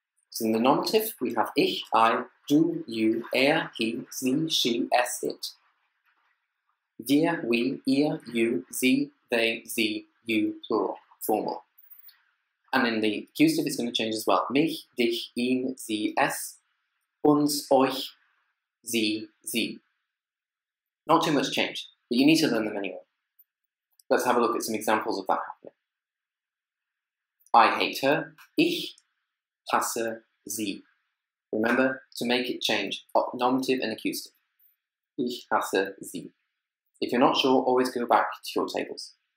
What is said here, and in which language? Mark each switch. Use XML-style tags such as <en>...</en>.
<en>So in the nominative, we have ich, I, du, you, er, he, sie, she, es, it. Wir, we, ihr, you, sie, they, sie, you, plural, formal. And in the accusative, it's going to change as well.</en> <de>Mich, dich, ihn, sie, es, uns, euch, sie, sie.</de> <en>Not too much change, but you need to learn them anyway. Let's have a look at some examples of that happening. I hate her.</en> <de>Ich hasse sie.</de> <en>Remember, to make it change, nominative and accusative.</en> <de>Ich hasse sie.</de> <en>If you're not sure, always go back to your tables.</en>